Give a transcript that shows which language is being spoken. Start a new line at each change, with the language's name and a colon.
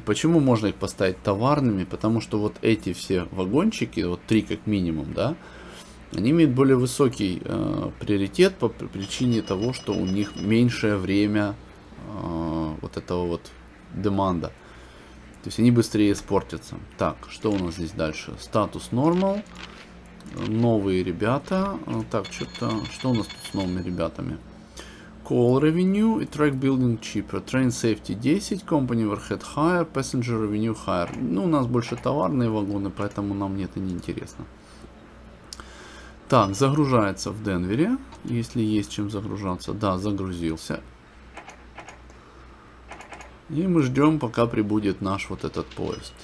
Russian: Почему можно их поставить товарными? Потому что вот эти все вагончики, вот три как минимум, да, они имеют более высокий приоритет по причине того, что у них меньшее время вот этого вот деманда. То есть они быстрее испортятся. Так, что у нас здесь дальше? Статус normal. Новые ребята. Так, что-то, что у нас тут с новыми ребятами?
English: Call revenue и track building cheaper. Train safety 10, company overhead higher, passenger revenue higher.
Russian: Ну, у нас больше товарные вагоны, поэтому нам это не интересно. Так, загружается в Денвере. Если есть чем загружаться. Да, загрузился. И мы ждем, пока прибудет наш вот этот поезд.